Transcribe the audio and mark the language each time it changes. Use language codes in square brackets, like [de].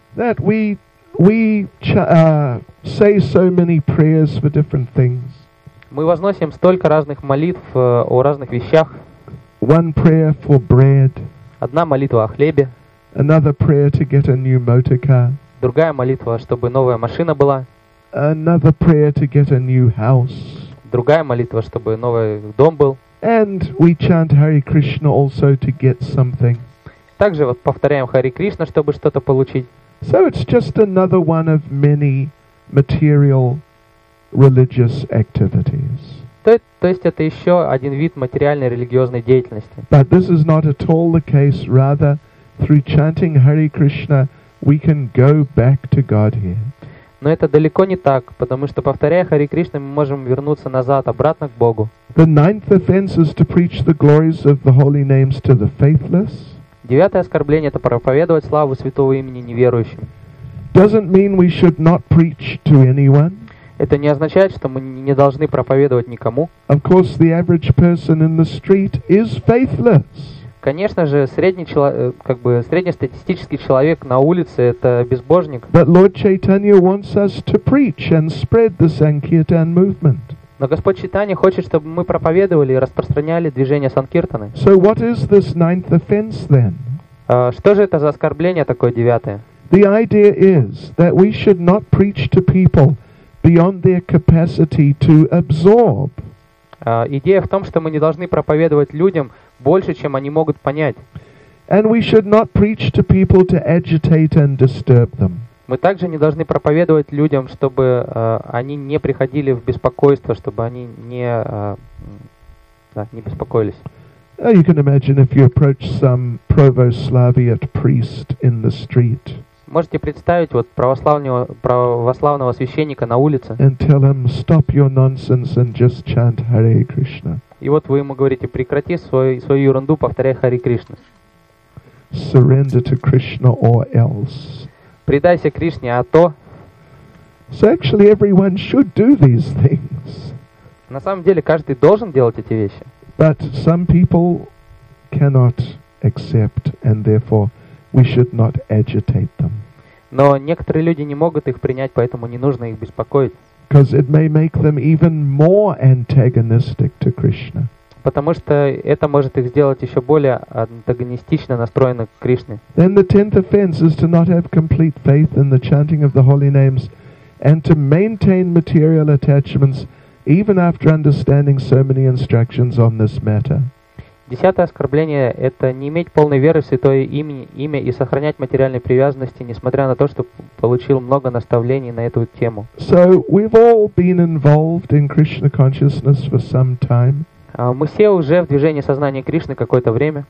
[en] That we say so many prayers for different things. [ru] Мы возносим столько разных молитв о разных вещах. [en] One prayer for bread. [ru] Одна молитва о хлебе. [en] Another prayer to get a new motor car. [ru] Другая молитва, чтобы новая машина была. [en] Another prayer to get a new house. [ru] Другая молитва, чтобы новый дом был. [en] And we chant Hare Krishna also to get something. [ru] Также вот повторяем Хари Кришна, чтобы что-то получить. [en] So it's just another one of many material religious activities. [ru] То есть это еще один вид материальной религиозной деятельности. [en] But this is not at all the case. Rather, through chanting Hare Krishna, We can go back to God here. [ru] Но это далеко не так, потому что, повторяя Харе Кришна, мы можем вернуться назад, обратно к Богу. [en] The ninth offense is to preach the glories of the holy names to the faithless. [ru] Девятое оскорбление – это проповедовать славу святого имени неверующим. [en] Doesn't mean we should not preach to anyone. [ru] Это не означает, что мы не должны проповедовать никому. [en] Of course, the average person in the street is faithless. [ru] Конечно же, среднестатистический человек на улице – это безбожник. [en] But Lord Chaitanya wants us to preach and spread the Sankirtan movement. [ru] Но Господь Чайтанья хочет, чтобы мы проповедовали и распространяли движение Санкиртаны. [en] So what is this ninth offense then? [ru] Что же это за оскорбление такое девятое? [en] The idea is that we should not preach to people beyond their capacity to absorb. [ru] Идея в том, что мы не должны проповедовать людям больше, чем они могут понять. [en] And we should not preach to people to agitate and disturb them. [ru] Мы также не должны проповедовать людям, чтобы они не приходили в беспокойство, чтобы они не беспокоились. [en] You can imagine if you approach some Provoslaviate priest in the street. [ru] Можете представить вот православного священника на улице. [en] And tell him, stop your nonsense and just chant Hare Krishna. [ru] И вот вы ему говорите, прекрати свою ерунду, повторяй Харе Кришна. [en] Surrender to Krishna or else. [ru] Предайся Кришне, а то... [en] So actually everyone should do these things. [ru] На самом деле каждый должен делать эти вещи. [en] But some people cannot accept and therefore we should not agitate them. [ru] Но некоторые люди не могут их принять, поэтому не нужно их беспокоить. [en] Because it may make them even more antagonistic to Krishna. [ru] Потому что это может их сделать еще более антагонистично настроены к Кришне. [en] Then the tenth offense is to not have complete faith in the chanting of the holy names and to maintain material attachments even after understanding so many instructions on this matter. [ru] Десятое оскорбление – это не иметь полной веры в святое имя и сохранять материальные привязанности, несмотря на то, что получил много наставлений на эту тему. [en] So we've all been involved in Krishna consciousness for some time. [ru] Мы все уже в движении сознания Кришны какое-то время.